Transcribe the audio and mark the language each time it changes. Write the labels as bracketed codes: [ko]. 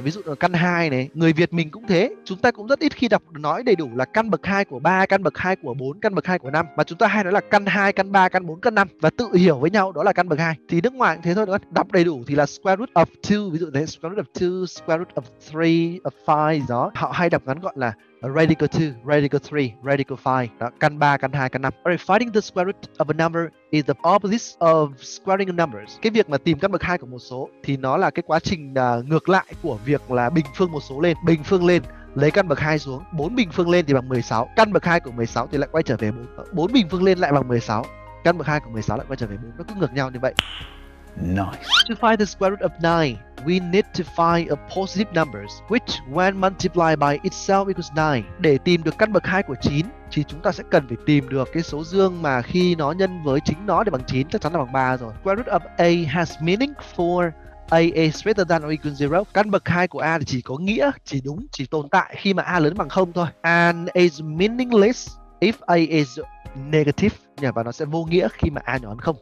[vi] Ví dụ là căn 2 này, người Việt mình cũng thế, chúng ta cũng rất ít khi đọc nói đầy đủ là căn bậc 2 của 3, căn bậc 2 của 4, căn bậc 2 của 5, mà chúng ta hay nói là căn 2, căn 3, căn 4, căn 5 và tự hiểu với nhau đó là căn bậc 2. Thì nước ngoài cũng thế thôi, đọc đầy đủ thì là [en] square root of 2, [vi] ví dụ thế, square root of 2, square root of 3, of 5 gì đó. Họ hay đọc ngắn gọn là radical 2, radical 3, radical 5. Đó, căn 3, căn 2, căn 5. [en] All right, finding the square root of a number is the opposite of squaring numbers. [vi] Cái việc mà tìm căn bậc 2 của một số thì nó là cái quá trình ngược lại của việc là bình phương một số lên. Bình phương lên, lấy căn bậc 2 xuống. 4 bình phương lên thì bằng 16. Căn bậc 2 của 16 thì lại quay trở về 4. 4 bình phương lên lại bằng 16. Căn bậc 2 của 16 lại quay trở về 4. Nó cứ ngược nhau như vậy. [en] Nice. To find the square root of 9, we need to find a positive number which when multiplied by itself equals 9. [vi] Để tìm được căn bậc 2 của 9 thì chúng ta sẽ cần phải tìm được cái số dương mà khi nó nhân với chính nó để bằng 9, chắc chắn là bằng 3 rồi. [en] Square root of a has meaning for a is greater than or equal to 0. [vi] Căn bậc 2 của a thì chỉ có nghĩa, chỉ đúng, chỉ tồn tại khi mà a lớn bằng 0 thôi. [en] And is meaningless if a is negative, [vi] và nó sẽ vô nghĩa khi mà a nhỏ hơn 0.